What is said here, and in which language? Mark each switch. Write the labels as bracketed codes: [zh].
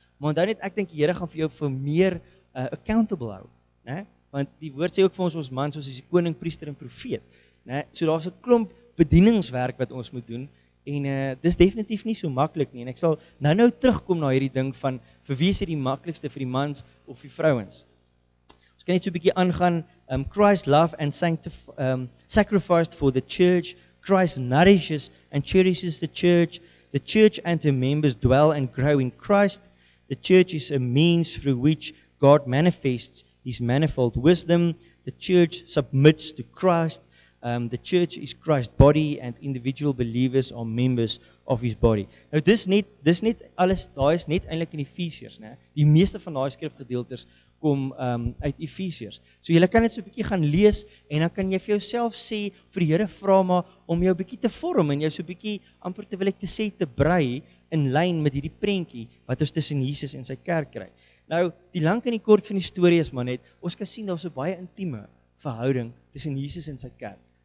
[af] Maar onthou net, ek dink die Here gaan vir jou vir meer [en] accountable [af] hou, ne? Want die woord sê ook vir ons mans, ons is die koning, priester en profeet, ne? So daar's 'n klomp bedieningswerk wat ons moet doen, en dis definitief nie so maklik nie, en ek sal nou terugkom na hierdie ding van vir wie is die maklikste, vir die mans of die vrouens. Ons kan net so 'n bietjie aangaan, [en] Christ love and sacrificed for the church, Christ nourishes and cherishes the church and her members dwell and grow in Christ, the church is a means through which God manifests his manifold wisdom, the church submits to Christ, the church is Christ's body and individual believers are members of his body. [af] Nou dis net alles, daai is net eintlik in Efesiërs, né? Die meeste van daai skrifgedeeltes kom uit Efesiërs. So jy kan dit so 'n bietjie gaan lees, en dan kan jy vir jouself sê, vir die Here vra maar om jou bietjie te vorm, en jou so 'n bietjie amper te wil ek te sê te brei in lyn met hierdie prentjie wat ons tussen Jesus en sy kerk kry. Nou, die lank en die kort van die storie is maar net, ons kan sien daar's 'n baie intieme verhouding tussen Jesus en sy kerk.